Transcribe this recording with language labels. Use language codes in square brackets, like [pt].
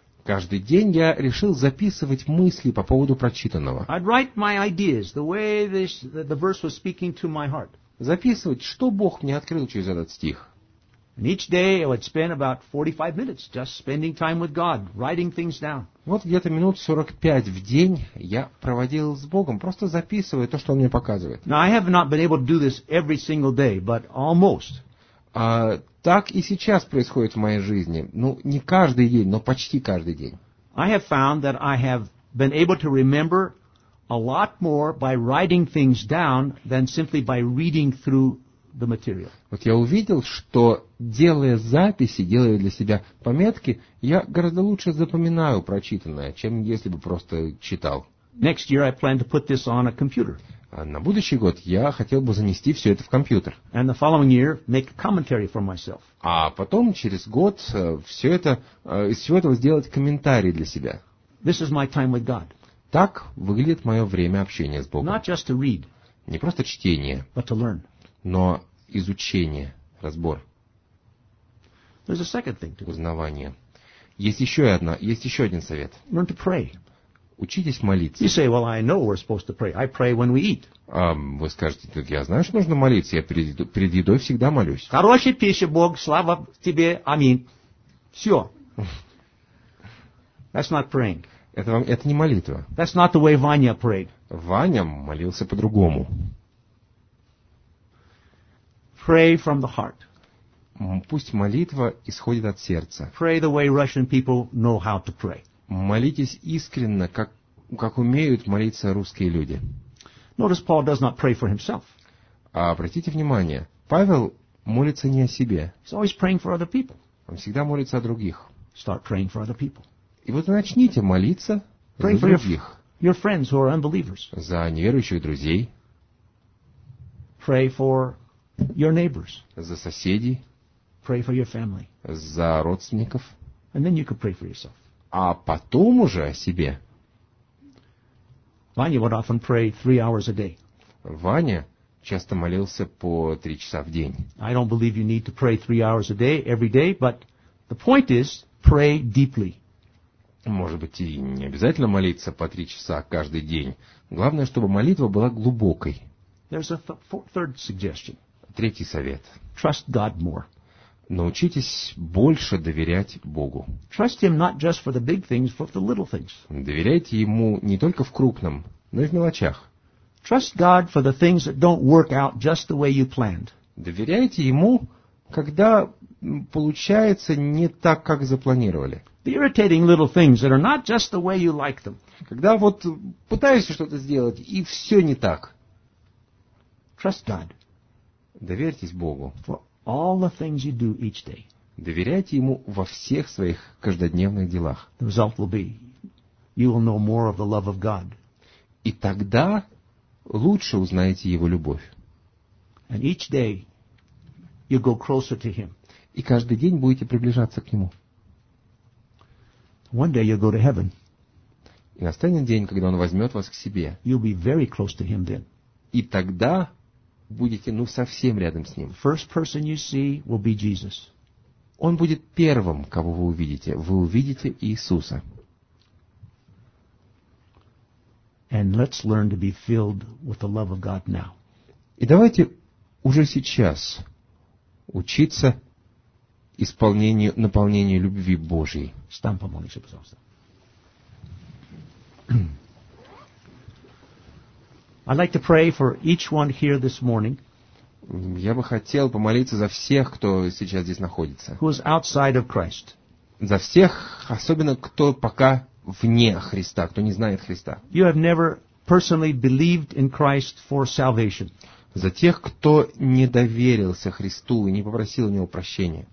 [ru] Каждый день я решил записывать мысли по поводу прочитанного. [en] I'd write my ideas, the way the verse was speaking to my heart. [ru] Записывать, что Бог мне открыл через этот стих. [en] And each day I would spend about 45 minutes just spending time with God, writing things down. [ru] Вот где-то минут 45 в день я проводил с Богом, просто записывая то, что Он мне показывает. [en] Now, I have not been able to do this every single day, but almost. [ru] Так и сейчас происходит в моей жизни. Ну, не каждый день, но почти каждый день. [en] I have found that I have been able to remember a lot more by writing things down than simply by reading through the material. [ru] Вот я увидел, что делая записи, делая для себя пометки, я гораздо лучше запоминаю прочитанное, чем если бы просто читал. [en] Next year I plan to put this on a computer. [ru] На будущий год я хотел бы занести все это в компьютер. [en] And the following year make a commentary for myself. [ru] А потом через год все это из всего этого сделать комментарий для себя. [en] This is my time with God. [ru] Так выглядит мое время общения с Богом. [en] Not just to read, [ru] не просто чтение, [en] but to learn. [ru] Но изучение, разбор. [en] There's a second thing to do. [ru] Узнавание. Есть еще один совет. [en] Learn to pray. [ru] Учитесь молиться. [en] You say, well, I know we're supposed to pray. I pray when we eat. [ru] Вы скажете, так я знаю, что нужно молиться. Я перед едой всегда молюсь. Хорошая пища, Бог, слава тебе, аминь. Все. [en] That's not praying. [ru] Это не молитва. [en] That's not the way Vanya prayed. [ru] Ваня молился по-другому. [en] Pray from the heart. [ru] Пусть молитва исходит от сердца. [en] Pray the way Russian people know how to pray. [ru] Молитесь искренне, как умеют молиться русские люди. [en] Notice Paul does not pray for himself. [ru] А обратите внимание, Павел молится не о себе. [en] He's always praying for other people. [ru] Он всегда молится о других. [en] Start praying for other people. [ru] И вот начните молиться [en] pray [ru] за других. [en] Your friends who are unbelievers. [ru] За неверующих друзей. [en] Pray for your neighbors. [ru] За соседей. [en] Pray for your family. [ru] За родственников. [en] And then you can pray for yourself. [ru] А потом уже о себе. [en] Vanya would often pray 3 hours a day. [ru] Ваня часто молился по 3 часа в день. [en] I don't believe you need to pray 3 hours a day, every day, but the point is, pray deeply. [ru] Может быть, и не обязательно молиться по 3 часа каждый день. Главное, чтобы молитва была глубокой. [en] There's a third suggestion. [ru] Третий совет. [en] Trust God more. [ru] Научитесь больше доверять Богу. [en] Trust him not just for the big things, but for the little things. [ru] Доверяйте ему не только в крупном, но и в мелочах. [en] Trust God for the things that don't work out just the way you planned. [ru] Доверяйте ему, когда получается не так, как запланировали. [en] The irritating little things that are not just the way you like them. [ru] Когда вот пытаешься что-то сделать, и все не так. [en] Trust God. [ru] Доверьтесь Богу. [en] For all the things you do each day. [ru] Доверяйте ему во всех своих каждодневных делах. [en] The result will be, you will know more of the love of God. [ru] И тогда лучше узнаете его любовь. [en] And each day you go closer to him. [ru] И каждый день будете приближаться к нему. [en] One day you'll go to heaven. [ru] И настанет день, когда он возьмет вас к себе. [en] You'll be very close to him then. [ru] И тогда будете, ну, совсем рядом с ним. [en] First person you see will be Jesus. [ru] Он будет первым, кого вы увидите. Вы увидите Иисуса. [en] And let's learn to be filled with the love of God now. [ru] И давайте уже сейчас учиться исполнению, наполнению любви Божьей. Стань, помолись, пожалуйста. [en] I'd like to pray for each one here this morning. [ru] Я бы хотел помолиться за всех, кто сейчас здесь находится. [en] Who is outside of Christ. [ru] За всех, особенно кто пока вне Христа, кто не знает Христа. [en] You have never personally believed in Christ for salvation. [ru] За тех, кто не доверился Христу и не попросил у него прощения.